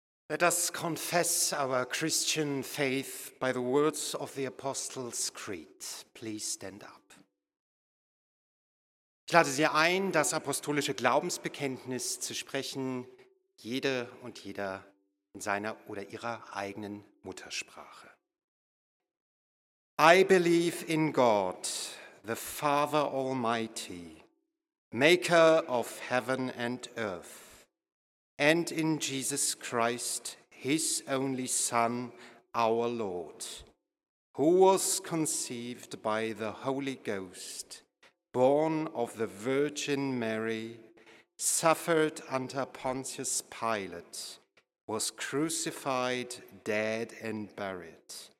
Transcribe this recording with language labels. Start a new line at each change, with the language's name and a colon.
English: Let us confess our Christian faith by the words of the Apostles' Creed. Please stand up.
German: Ich lade Sie ein, das apostolische Glaubensbekenntnis zu sprechen, jede und jeder in seiner oder ihrer eigenen Muttersprache.
English: I believe in God, the Father Almighty, maker of heaven and earth, and in Jesus Christ, his only Son, our Lord, who was conceived by the Holy Ghost, born of the Virgin Mary, suffered under Pontius Pilate, was crucified, dead, and buried.